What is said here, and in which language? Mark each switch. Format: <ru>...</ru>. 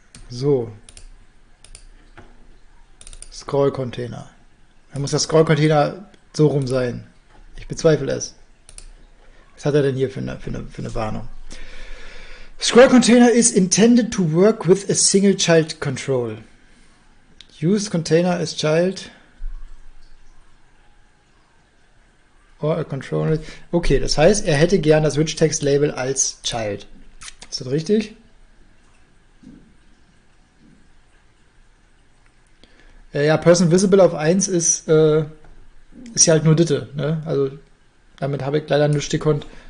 <de>So. Scroll-Container. Da muss der Scroll-Container so rum sein. Ich bezweifle es. Was hat er denn hier für eine Warnung?</de> <en>Scroll-Container is intended to work with a single child control. Use container as child or a control.</en> <de>Okay, das heißt, er hätte gern das Rich-Text-Label als child. Ist das richtig? Ja, Person Visible auf 1 ist ja halt nur Ditte, ne? Also damit habe ich leider nichts gekonnt.</de>